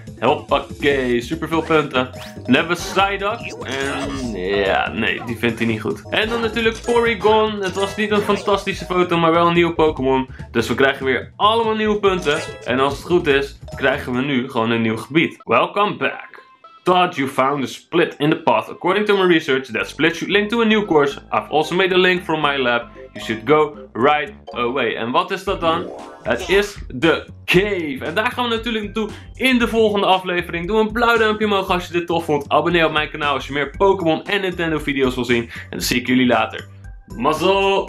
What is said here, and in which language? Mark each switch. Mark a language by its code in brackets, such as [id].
[nl] Hoppakee, superveel punten. Dan hebben we Psyduck. En ja, nee, die vindt hij niet goed. En dan natuurlijk Porygon. Het was niet een fantastische foto, maar wel een nieuwe Pokémon. Dus we krijgen weer allemaal nieuwe punten. En als het goed is, krijgen we nu gewoon een nieuw gebied. [en] Welcome back. Thought you found a split in the path. According to my research, that split should link to a new course. I've also made a link from my lab. You should go right away. [nl] En wat is dat dan? Het is de cave. En daar gaan we natuurlijk naartoe in de volgende aflevering. Doe een blauw duimpje omhoog als je dit tof vond. Abonneer op mijn kanaal als je meer Pokémon en Nintendo video's wil zien. En dan zie ik jullie later. Mazzel!